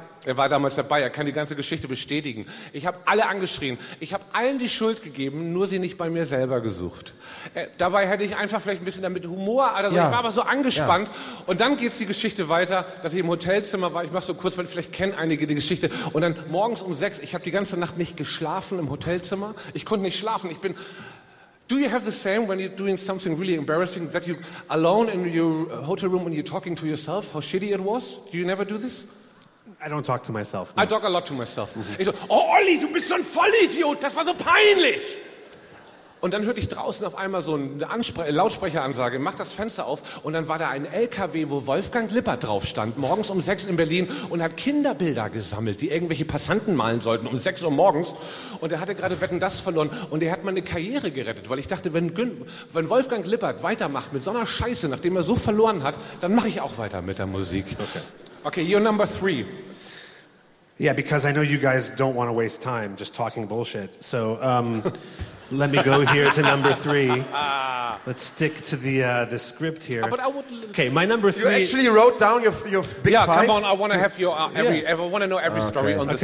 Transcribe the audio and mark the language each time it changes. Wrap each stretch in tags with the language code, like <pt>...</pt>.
<de>Er war damals dabei, er kann die ganze Geschichte bestätigen. Ich habe alle angeschrien, ich habe allen die Schuld gegeben, nur sie nicht bei mir selber gesucht. Dabei hätte ich einfach vielleicht ein bisschen damit Humor, also ja. Ich war aber so angespannt. Ja. Und dann geht's die Geschichte weiter, dass ich im Hotelzimmer war, ich mache so kurz, weil vielleicht kennen einige die Geschichte. Und dann morgens um 6, ich habe die ganze Nacht nicht geschlafen im Hotelzimmer. Ich konnte nicht schlafen, ich bin...</de> <en>Do you have the same when you're doing something really embarrassing that you alone in your hotel room when you're talking to yourself, how shitty it was? Do you never do this? I don't talk to myself. No. I talk a lot to myself.</en> <de>Mm-hmm. Ich so, oh Olli, du bist so ein Vollidiot, das war so peinlich. Und dann hörte ich draußen auf einmal so eine Lautsprecheransage, mach das Fenster auf. Und dann war da ein LKW, wo Wolfgang Lippert drauf stand, morgens um 6 in Berlin und hat Kinderbilder gesammelt, die irgendwelche Passanten malen sollten, um 6 Uhr morgens. Und er hatte gerade Wetten, dass verloren und er hat meine Karriere gerettet, weil ich dachte, wenn Wolfgang Lippert weitermacht mit so einer Scheiße, nachdem er so verloren hat, dann mache ich auch weiter mit der Musik.</de> <en>Okay, you're number 3. Yeah, because I know you guys don't want to waste time just talking bullshit. So let me go here to number 3. Let's stick to the script here. Okay, my number 3. You actually wrote down your big yeah, 5. Yeah, come on, I want to have your every I want to know every story on this.</en>